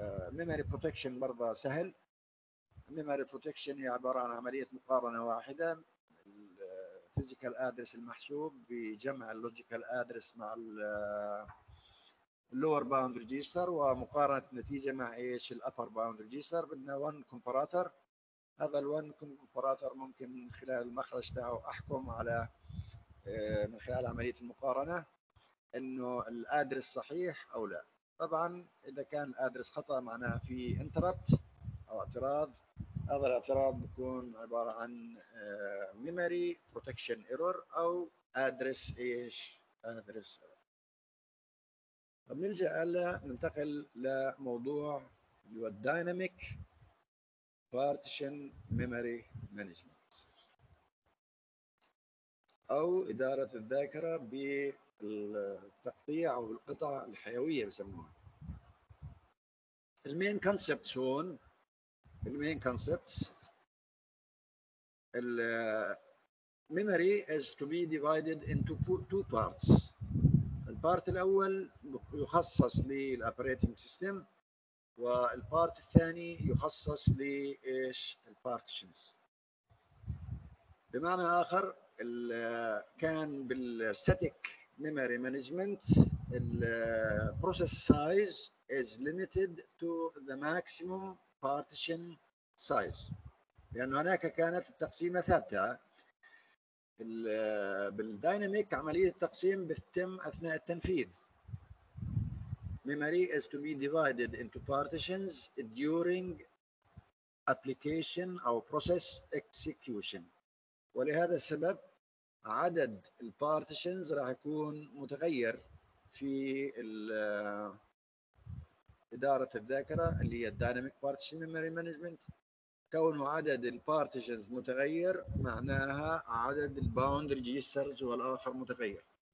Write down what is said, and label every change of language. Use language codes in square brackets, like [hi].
[ar] memory protection برضه سهل. memory protection هي عبارة عن عملية مقارنة واحدة. physical address المحسوب بجمع logical address مع lower bound register ومقارنة النتيجة مع إيش upper bound register. بدنا one comparator. هذا الوان كومبراتر ممكن من خلال المخرج تاعه احكم على من خلال عملية المقارنة انه الادرس صحيح او لا. طبعا اذا كان الادرس خطأ معناها في انتربت او اعتراض، هذا الاعتراض بيكون عبارة عن ميموري بروتكشن ايرور او ادرس ايش ادرس. بنلجأ ننتقل لموضوع اللي هو الدايناميك Partition Memory Management أو إدارة الذاكرة بالتقطيع أو القطع الحيوية بسموها. [en] المين كونسبت [ar] هون [en] المين كونسبت الميموري is to be divided into two parts. [ar] البارت الأول يخصص للأبريتنج سيستم والبارت الثاني يخصص لإيش البارتيشنز. بمعنى آخر كان بالستاتيك ميموري مانجمنت البروسيس سايز [en] is limited to the maximum partition size [ar] لأن هناك كانت التقسيمة ثابتة. بالدايناميك عملية التقسيم بتتم أثناء التنفيذ. [en] Memory is to be divided into partitions during application or process execution. [ar] ولهذا السبب عدد البارتيشنز راح يكون متغير في إدارة الذاكرة اللي هي Dynamic Partition Memory Management. كون عدد البارتيشنز متغير معناها عدد الباوند ريجيسترز والآخر متغير.